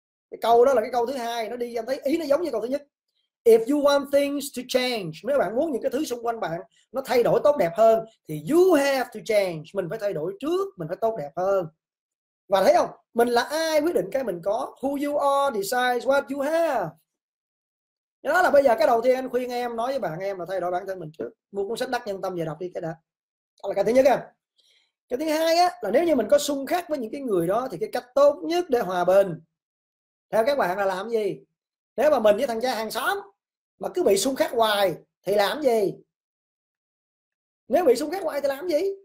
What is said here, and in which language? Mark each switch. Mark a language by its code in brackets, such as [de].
[vi] Cái câu đó là cái câu thứ hai, nó đi em thấy ý nó giống như câu thứ nhất. [en] If you want things to change, [vi] nếu bạn muốn những cái thứ xung quanh bạn nó thay đổi tốt đẹp hơn thì [en] you have to change, [vi] mình phải thay đổi trước, mình phải tốt đẹp hơn. Và thấy không, mình là ai quyết định cái mình có. [en] Who you are decides what you have. [vi] Đó là bây giờ cái đầu tiên anh khuyên em, nói với bạn em là thay đổi bản thân mình trước. Mua cuốn sách Đắc Nhân Tâm về đọc đi cái đã. Đó là cái thứ nhất em. Cái thứ hai á, là nếu như mình có xung khắc với những cái người đó thì cái cách tốt nhất để hòa bình theo các bạn là làm gì? Nếu mà mình với thằng cha hàng xóm mà cứ bị xung khắc hoài thì làm gì? Nếu bị xung khắc hoài thì làm gì?